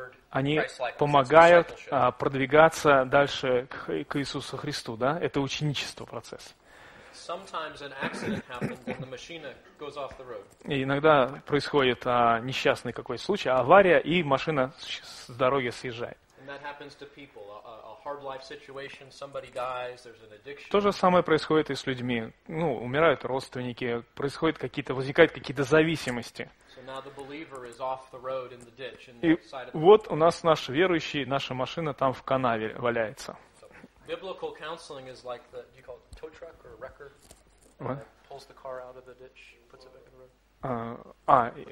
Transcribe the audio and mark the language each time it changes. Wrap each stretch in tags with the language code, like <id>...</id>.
<ru>Они помогают продвигаться дальше к Иисусу Христу, да? Это ученичество, процесс.</ru> <en>Sometimes an accident happens and the machine goes off the road.</en> <ru>Иногда происходит несчастный какой-то случай, авария, и машина с дороги съезжает.</ru> <en>And that happens to people. A hard life situation, somebody dies, there's an addiction.</en> <ru>То же самое происходит и с людьми. Ну, умирают родственники, возникают какие-то зависимости.</ru> <en>So now the believer is off the road in the ditch.</en> <ru>И вот у нас наш верующий, наша машина там в канаве валяется.</ru> <en>Biblical counseling is like the, do you call it tow truck or wrecker? What? Pulls the car out of the ditch, puts it back in the road.</en>